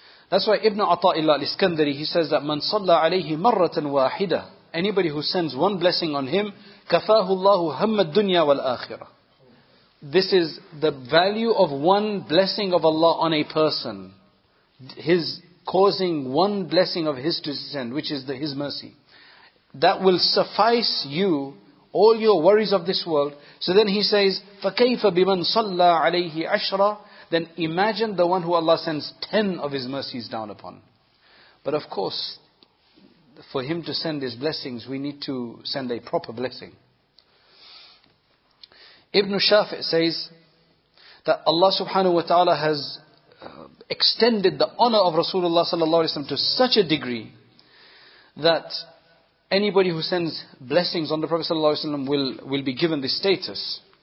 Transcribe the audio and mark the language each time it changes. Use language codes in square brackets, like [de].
[en] That's why Ibn Ata'illah al-Iskandari, he says that, [ar] مَنْ صَلَّى عَلَيْهِ مَرَّةً وَاحِدَةً, [en] anybody who sends one blessing on him, [ar] كَفَاهُ اللَّهُ هَمَّ الدُّنْيَا وَالْآخِرَةِ. [en] This is the value of one blessing of Allah on a person. His causing one blessing of his to send, which is his mercy. That will suffice you all your worries of this world. So then he says, [ar] فَكَيْفَ بِمَنْ صَلَّى عَلَيْهِ عَشْرًا. [en] Then imagine the one who Allah sends 10 of his mercies down upon. But of course, for him to send his blessings, we need to send a proper blessing. Ibn Shafi' says that Allah subhanahu wa ta'ala has extended the honor of Rasulullah sallallahu alayhi wa sallam to such a degree that anybody who sends blessings on the Prophet sallallahu alayhi wa sallam will be given this status.